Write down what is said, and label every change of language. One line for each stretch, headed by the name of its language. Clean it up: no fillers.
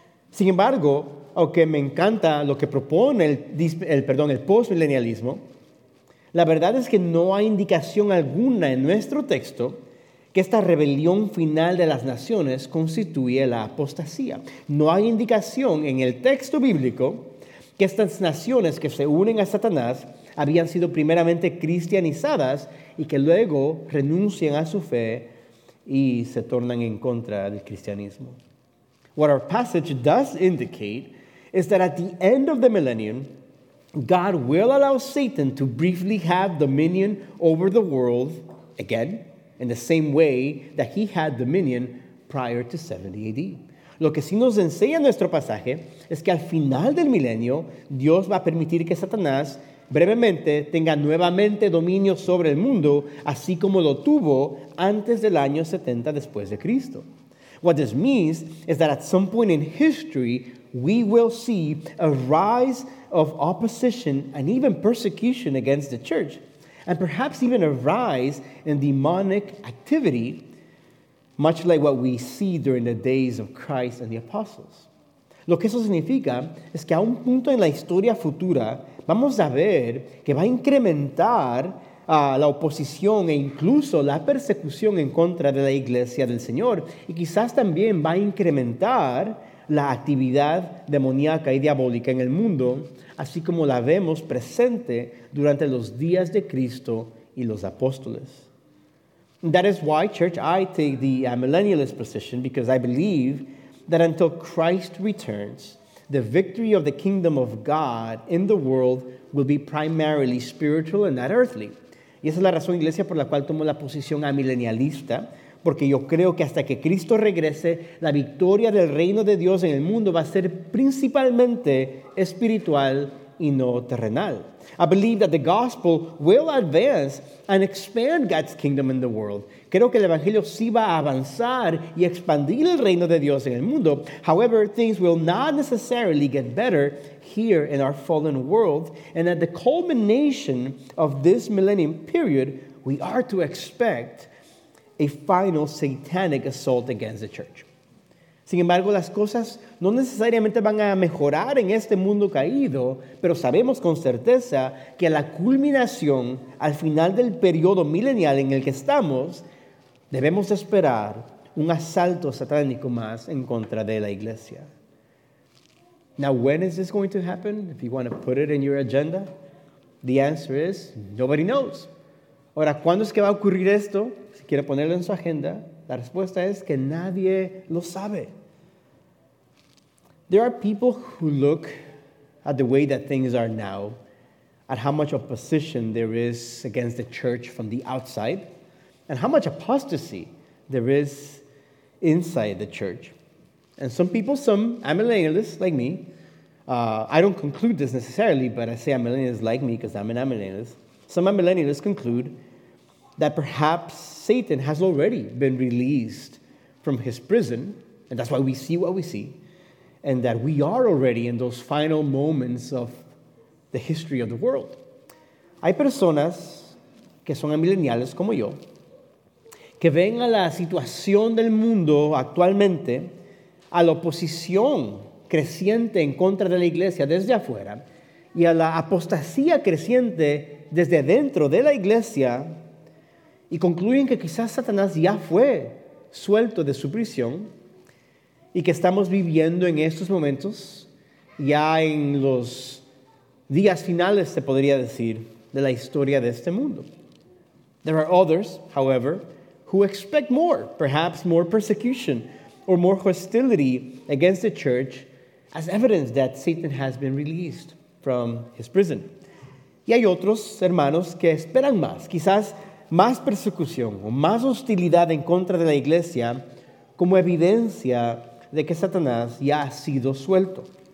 Spanish: Sin embargo, aunque me encanta lo que propone el postmillennialismo, la verdad es que no hay indicación alguna en nuestro texto que esta rebelión final de las naciones constituye la apostasía. No hay indicación en el texto bíblico que estas naciones que se unen a Satanás habían sido primeramente cristianizadas y que luego renuncian a su fe y se tornan en contra del cristianismo.
English: What our passage does indicate is that at the end of the millennium, God will allow Satan to briefly have dominion over the world again, in the same way that he had dominion prior to 70 AD.
Spanish: Lo que sí nos enseña nuestro pasaje es que al final del milenio, Dios va a permitir que Satanás brevemente tenga nuevamente dominio sobre el mundo, así como lo tuvo antes del año 70 después de Cristo.
English: What this means is that at some point in history, we will see a rise of opposition and even persecution against the church, and perhaps even a rise in demonic activity, much like what we see during the days of Christ and the apostles.
Spanish: Lo que eso significa es que a un punto en la historia futura vamos a ver que va a incrementar la oposición e incluso la persecución en contra de la iglesia del Señor, y quizás también va a incrementar la actividad demoníaca y diabólica en el mundo, así como la vemos presente durante los días de Cristo y los apóstoles.
English: That is why, church, I take the amillennialist position, because I believe that until Christ returns, the victory of the kingdom of God in the world will be primarily spiritual and not earthly.
Spanish: Y esa es la razón, iglesia, por la cual tomo la posición amillennialista, porque yo creo que hasta que Cristo regrese, la victoria del reino de Dios en el mundo va a ser principalmente espiritual y no terrenal.
English: I believe that the gospel will advance and expand God's kingdom in the world.
Spanish: Creo que el evangelio sí va a avanzar y expandir el reino de Dios en el mundo.
English: However, things will not necessarily get better here in our fallen world. And at the culmination of this millennium period, we are to expect a final satanic assault against the church.
Spanish: Sin embargo, las cosas no necesariamente van a mejorar en este mundo caído, pero sabemos con certeza que a la culminación, al final del periodo milenial en el que estamos, debemos esperar un asalto satánico más en contra de la iglesia.
English: Now, when is this going to happen? If you want to put it in your agenda, the answer is nobody knows.
Spanish: Ahora, ¿cuándo es que va a ocurrir esto? Si quiere ponerlo en su agenda, la respuesta es que nadie lo sabe.
English: There are people who look at the way that things are now, at how much opposition there is against the church from the outside, and how much apostasy there is inside the church. And some amillennialists like me, I don't conclude this necessarily, but I say amillennialists like me because I'm an amillennialist. Some amillennialists conclude that perhaps Satan has already been released from his prison, and that's why we see what we see, and that we are already in those final moments of the history of the world.
Spanish: Hay personas que son amillennialistas como yo, que ven a la situación del mundo actualmente, a la oposición creciente en contra de la iglesia desde afuera y a la apostasía creciente desde dentro de la iglesia, y concluyen que quizás Satanás ya fue suelto de su prisión y que estamos viviendo en estos momentos, ya en los días finales, se podría decir, de la historia de este mundo.
English: There are others, however, who expect more, perhaps more persecution or more hostility against the church as evidence that Satan has been released from his prison.
Spanish: Y hay otros hermanos que esperan más, quizás más persecución o más hostilidad en contra de la iglesia como evidencia de que Satanás ya ha sido suelto.